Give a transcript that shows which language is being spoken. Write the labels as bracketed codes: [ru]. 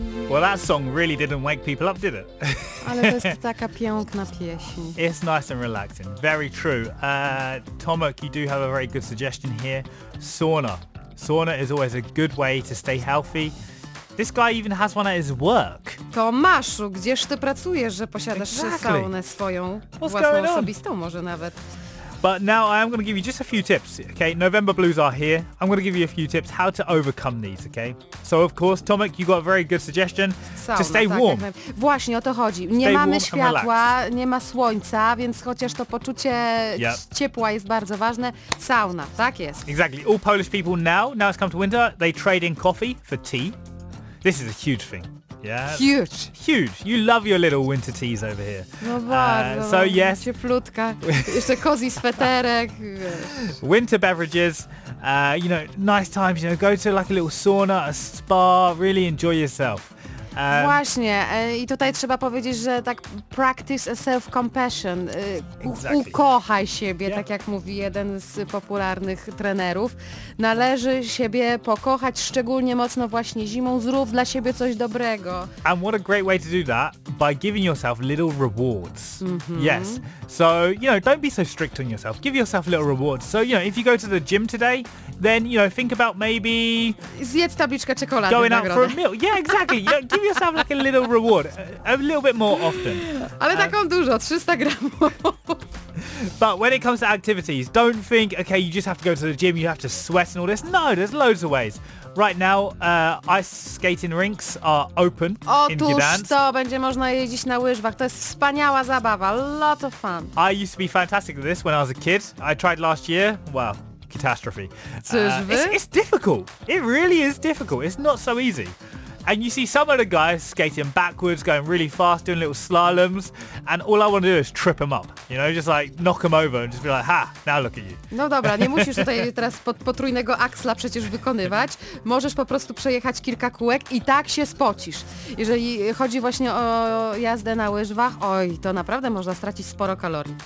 [en] Well, that song really didn't wake people up, did it? [pl] Ale to jest taka piękna pieśń. [en] It's nice and relaxing. Very true. Tomek, you do have a very good suggestion here. Sauna. Sauna is always a good way to stay healthy. This guy even has one at his work. [pl] Tomaszu, gdzież ty pracujesz, że posiadasz saunę swoją? [en] What's going on? [pl] Własną osobistą może nawet. [en] But now I am going to give you just a few tips, okay? November blues are here. I'm going to give you a few tips how to overcome these, okay? So of course, Tomek, you got a very good suggestion. Sauna, to stay warm. [pl] Tak, właśnie o to chodzi. Nie [en] stay [pl] mamy światła, nie ma słońca, więc chociaż to poczucie ciepła jest bardzo ważne, sauna, tak jest. [en] Exactly. All Polish people now it's come to winter, they trade in coffee for tea. This is a huge thing. Yeah. Huge. Huge. You love your little winter teas over here. [pl] No bardzo. [en] So yes. [pl] Cieplutka. Jeszcze cozy sweterek. [en] Winter beverages. You know, nice times. You know, go to like a little sauna, a spa. Really enjoy yourself. [pl] Właśnie. I tutaj trzeba powiedzieć, że tak [en] practice a self-compassion. Exactly. [pl] Ukochaj siebie, tak jak mówi jeden z popularnych trenerów. Należy siebie pokochać, szczególnie mocno właśnie zimą. Zrób dla siebie coś dobrego. [en] And what a great way to do that, by giving yourself little rewards. Mm-hmm. Yes. So, you know, don't be so strict on yourself. Give yourself little rewards. So, you know, if you go to the gym today, then, you know, think about maybe... [pl] Zjedz tabliczkę czekolady. [en] Going out for a meal. Yeah, exactly. You know, give yourself like a little reward. A little bit more often. [pl] Ale taką dużo, 300 gramów. [en] But when it comes to activities, don't think, okay, you just have to go to the gym, you have to sweat and all this. No, there's loads of ways. Right now, ice skating rinks are open in Gdansk. [pl] Otóż to, będzie można jeździć na łyżwach. To jest wspaniała zabawa. [en] Lot of fun. I used to be fantastic at this when I was a kid. I tried last year. Well, catastrophe. [pl] Cóż wy? [en] It's difficult. It really is difficult. It's not so easy. And you see some of the guys skating backwards, going really fast, doing little slaloms, and all I want to do is trip them up, you know, just like knock them over and just be like, ha, now look at you. [pl] No dobra, nie musisz tutaj teraz potrójnego aksla przecież wykonywać, możesz po prostu przejechać kilka kółek i tak się spocisz. Jeżeli chodzi właśnie o jazdę na łyżwach, oj, to naprawdę można stracić sporo kalorii.